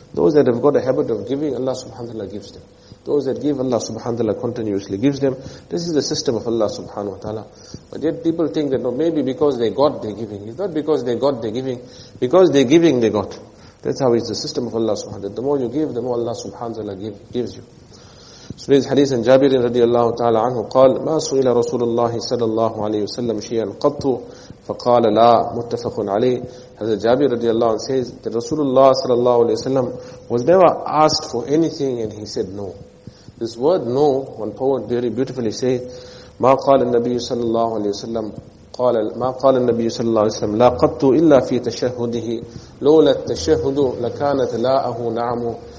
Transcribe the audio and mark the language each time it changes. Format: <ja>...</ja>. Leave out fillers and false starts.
<en>Those that have got a habit of giving, Allah subhanahu wa ta'ala gives them. Those that give, Allah subhanahu wa ta'ala continuously gives them. This is the system of Allah subhanahu wa ta'ala. But yet people think that, no, maybe because they got, they're giving. It's not because they got, they're giving. Because they're giving, they got. That's how it's the system of Allah subhanahu wa ta'ala. The more you give, the more Allah subhanahu wa ta'ala gives you. So there's hadith in Jabir</en> <ar>radiallahu ta'ala anhu, قال, ما سئل رسول الله صلى الله عليه وسلم شيئا قط فقال لا. متفق عليه.</ar> <en>Hazrat Jabir radiallahu anhu says that Rasulullah sallallahu alayhi wa sallam was never asked for anything and he said no. This word no, one poet very beautifully says,</en> <ar>ما قال النبي صلى الله عليه وسلم قال ما قال النبي صلى الله عليه وسلم لا قط إلا في تشهده لولا التشهد لكانت لاءه نعمه.</ar>